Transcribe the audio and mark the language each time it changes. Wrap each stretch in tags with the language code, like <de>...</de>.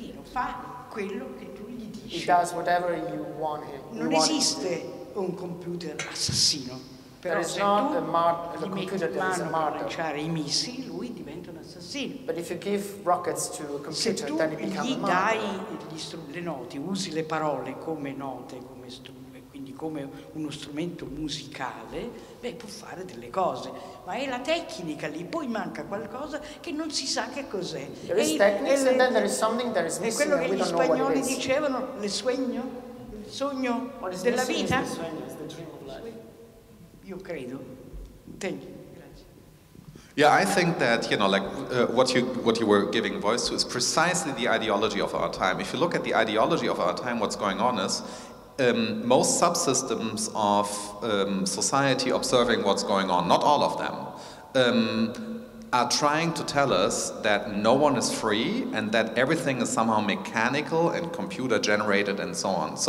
<it>Fa quello che tu gli dici.</it> <en>He does whatever you want him.</en> <it>Non esiste un computer assassino.</it> <en>There is not a computer that is a martyr.</en> <it>Lanciare i missili, lui diventa un assassino.</it> <en>But if you give rockets to a computer,</en> <it>se tu</it> <en>then it becomes a martyr.</en> <it>Dai le note, usi le parole come note, quindi come uno strumento musicale, beh, può fare delle cose, ma è la tecnica lì, poi manca qualcosa che non si sa che cos'è.</it> <en>There is technics and then there is something that is missing.</en> <it>È quello che gli spagnoli dicevano, il sogno della vita.</it> <en>What is missing is the dream of life.</en> <it>Io credo.</it> <en>Thank you. Yeah, I think that, you know, like what you were giving voice to is precisely the ideology of our time. If you look at the ideology of our time, what's going on is most subsystems of society observing what's going on, not all of them, are trying to tell us that no one is free and that everything is somehow mechanical and computer generated and so on.</en>